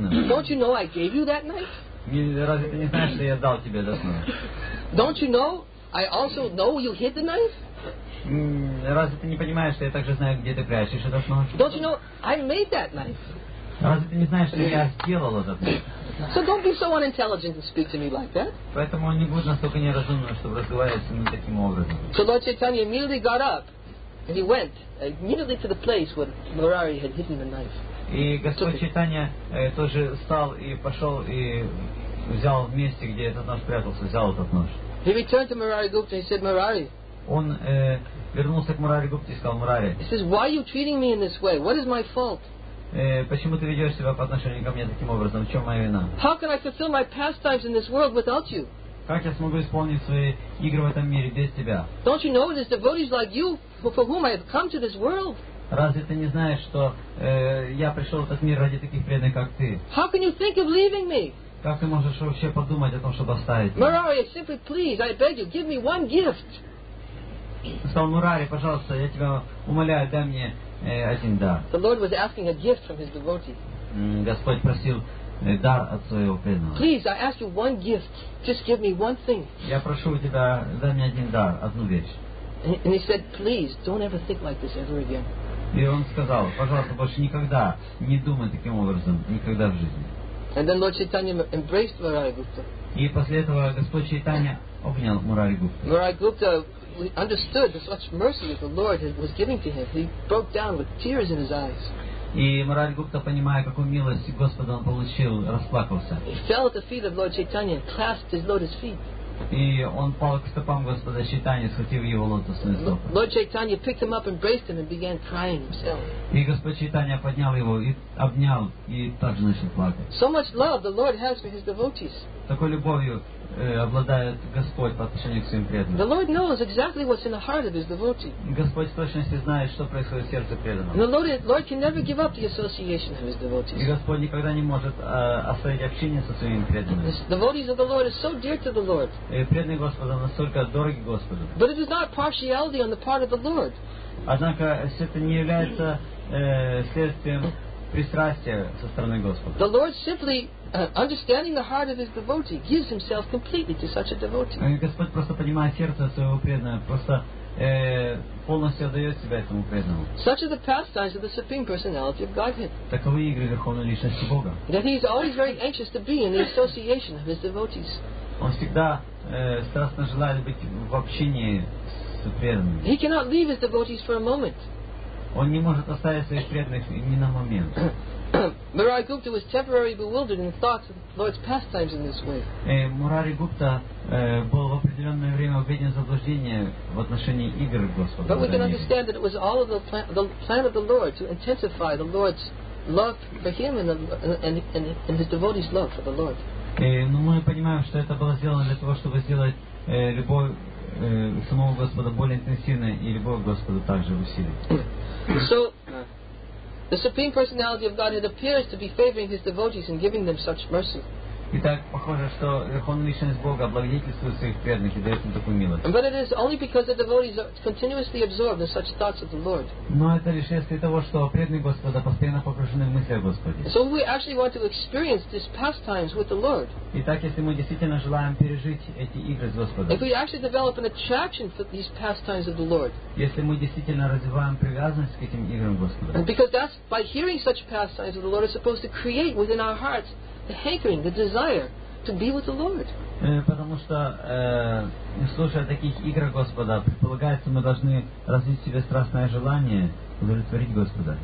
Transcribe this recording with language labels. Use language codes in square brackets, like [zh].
[en] Don't you know I gave you that knife? Don't you know I also know you hid the knife? [ru] Разве ты не понимаешь, что я также знаю, где ты прячешь этот нож? [en] Don't you know, I made that knife. [ru] Разве ты не знаешь, что я сделал этот нож? [en] So don't be so unintelligent and speak to me like that. [ru] Поэтому не будь настолько неразумным, чтобы разговаривать со мной таким образом. [en] So Lord Chaitanya immediately got up and he went immediately to the place where Murari had hidden the knife. [ru] И Господь Чайтанья тоже встал и пошел и взял вместе, где этот нож прятался, взял этот нож. [en] He returned to Murari Gupta and he said, Murari. [ru] Он вернулся к Мурари Гупте и сказал, Мурари. [en] He says, why are you treating me in this way? What is my fault? [ru] Почему ты ведешь себя по отношению ко мне таким образом? В чем моя вина? [en] How can I fulfill my pastimes in this world without you? [ru] Как я смогу исполнить свои игры в этом мире без тебя? [en] Don't you know it is devotees like you for whom I have come to this world? [ru] Разве ты не знаешь, что я пришел в этот мир ради таких преданных, как ты? [en] How can you think of leaving me? [ru] Как ты можешь вообще подумать о том, чтобы оставить? [en] Мурари, simply please, I beg you, give me one gift. [ru] Сказал Мурари, пожалуйста, я тебя умоляю, дай мне один дар. [en] The Lord was asking a gift from his devotee. [ru] Господь просил дар от своего преданного. [en] Please, I ask you one gift. Just give me one thing. [ru] Я прошу у тебя, дай мне один дар, одну вещь. [en] And he said, please, don't ever think like this ever again. [ru] И он сказал, пожалуйста, больше никогда не думай таким образом, никогда в жизни. [en] And then Lord Chaitanya embraced Murari Gupta. [ru] И после этого Господь Чайтанья обнял Мурари Гупту. [en] Murari Gupta understood that such mercy that the Lord was giving to him, he broke down with tears in his eyes. [ru] И Мурари Гупта, понимая, какую милость Господа он получил, расплакался. [en] He fell at the feet of Lord Chaitanya and clasped his lotus feet. [ru] И он пал к стопам Господа Чайтаньи, схватив его лотосные стопы. [en] Lord Chaitanya picked him up, embraced him, and began crying himself. [ru] И Господь Чайтанья поднял его и обнял и также начал плакать. [en] So much love the Lord has for his devotees. [ru] Такой любовью обладает Господь по отношению к своим преданным. [en] The Lord knows exactly what's in the heart of his devotee. [ru] Господь в точности знает, что происходит в сердце преданного. [en] The Lord can never give up the association of his devotees. [ru] И Господь никогда не может оставить общение со своими преданными. [en] The devotees of the Lord are so dear to the Lord. [ru] Преданные Господа настолько дороги Господу. [en] But it is not partiality on the part of the Lord. [ru] Однако все это не является следствием пристрастия со стороны Господа. [en] The Lord simply understanding the heart of his devotee gives himself completely to such a devotee. [ru] Господь просто понимает сердце своего преданного, просто полностью отдает себя этому преданному. [en] Such are the pastimes of the Supreme Personality of Godhead. [ru] Таковы игры Верховной Личности Бога. [en] That he is always very anxious to be in the association of his devotees. [ru] Он всегда страстно желает быть в общении с преданными. [en] He cannot leave his devotees for a moment. [ru] Он не может оставить своих преданных ни на момент. [en] Murari Gupta was temporarily bewildered in the thoughts of the Lord's pastimes in this way. [ru] Murari Gupta был в определенное время введен в заблуждение в отношении игр Господа. [en] But we can understand that it was all of the plan of the Lord to intensify the Lord's love for him and his devotees' love for the Lord. [ru] Но мы понимаем, что это было сделано для того, чтобы сделать любовь самого Господа более интенсивной и любовь Господа также усилить. [en] So the Supreme Personality of Godhead appears to be favoring his devotees and giving them such mercy. [ru] Итак, похоже, что Верховная Личность Бога благодетельствует своих преданных и дает им такую милость. [en] But it is only because the devotees are continuously absorbed in such thoughts of the Lord. [ru] Но это лишь вследствие того, что преданные Господа постоянно погружены в мысли о Господе. [en] So we actually want to experience these pastimes with the Lord. [ru] Итак, если мы действительно желаем пережить эти игры с Господом. [en] If we actually develop an attraction for these pastimes of the Lord. [ru] Если мы действительно развиваем привязанность к этим играм Господа. [en] And because that's by hearing such pastimes of the Lord is supposed to create within our hearts the hankering, the desire to be with the Lord. [ru] Потому что слушая таких игр Господа, предполагается, мы должны развить в себе страстное желание удовлетворить Господа.